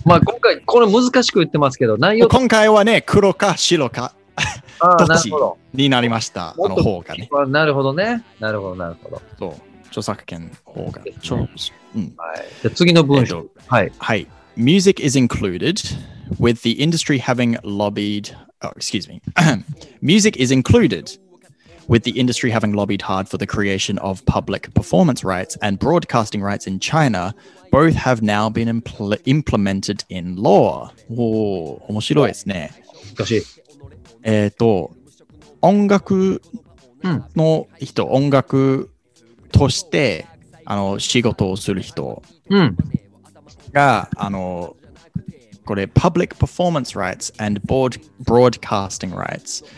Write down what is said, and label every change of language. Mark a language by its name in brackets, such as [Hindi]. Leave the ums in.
[Japanese] まあ、今回、これ難しく言ってますけど、内容。今回はね、黒か白か。独自になりました、あ,あの方がね。なるほどね。なるほど、なるほど。そう、著作権方が、ね。うん、はい。じゃ次の文章。えっと、はい。はい。 [English] Music なるほど。 is included with the industry having lobbied, oh, excuse me. Music is included with the industry having lobbied hard for the creation of public performance rights and broadcasting rights in China. Both have now been implemented in law. [Japanese] Oh, えっ、ー、と、音楽の人、うん、音楽としてあの仕事をする人が、うん、あの、これ、 Public Performance Rights and Broad Broadcasting Rights。